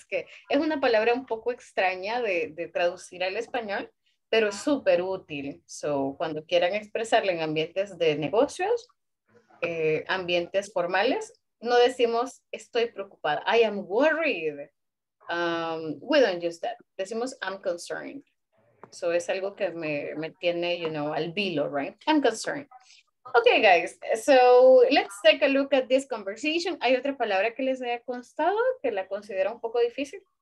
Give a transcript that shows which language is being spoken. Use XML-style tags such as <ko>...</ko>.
<es>Es que es una palabra un poco extraña de traducir al español, pero súper útil. So, cuando quieran expresarla en ambientes de negocios, ambientes formales, no decimos estoy preocupada.</es> <en>I am worried. We don't use that.</en> <es>Decimos I'm concerned. So, es algo que me tiene, you know, al vilo, right? I'm concerned.</es> <en>Okay, guys, so let's take a look at this conversation.</en> <es>¿Hay otra palabra que les haya costado, que la considera un poco difícil?</es>